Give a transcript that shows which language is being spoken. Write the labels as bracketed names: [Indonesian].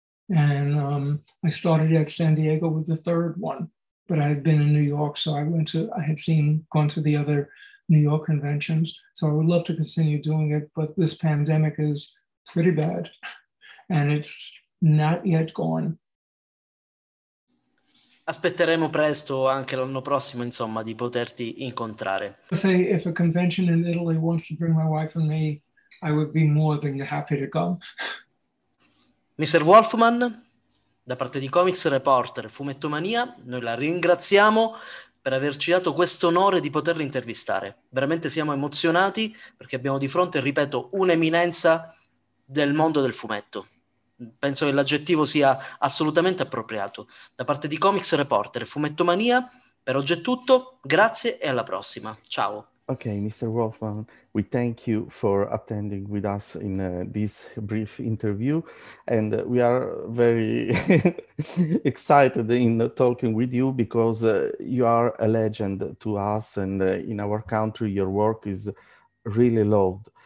[English] And I started at San Diego with the third one, but I had been in New York, so I had gone to the other New York conventions. So I would love to continue doing it, but this pandemic is pretty bad and it's not yet gone. [Italian] Aspetteremo presto, anche l'anno prossimo, insomma, di poterti incontrare. [English] Say if a convention in Italy wants to bring my wife and me, I would be more than happy to go. [Italian] Mr. Wolfman, da parte di Comics Reporter Fumettomania, noi la ringraziamo per averci dato questo onore di poterla intervistare. Veramente siamo emozionati perché abbiamo di fronte, ripeto, un'eminenza del mondo del fumetto. Penso che l'aggettivo sia assolutamente appropriato. Da parte di Comics Reporter Fumettomania, per oggi è tutto. Grazie e alla prossima. Ciao. [English] Okay, Mr. Wolfman, we thank you for attending with us in this brief interview, and we are very excited in talking with you because you are a legend to us, and in our country your work is really loved.